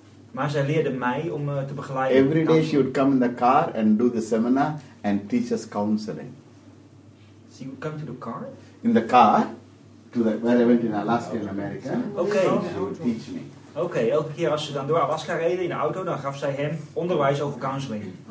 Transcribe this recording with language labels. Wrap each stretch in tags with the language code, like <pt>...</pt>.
<nl>Maar zij leerde mij om te begeleiden.</nl> <en>Every day she would come in the car and do the seminar and teach us counseling. She would come to the car? In the car, to the, where I went in Alaska in America. Okay. She would teach me.</en> <nl>Okay, elke keer als ze dan door Alaska reden in de auto, dan gaf zij hem onderwijs over counseling.</nl>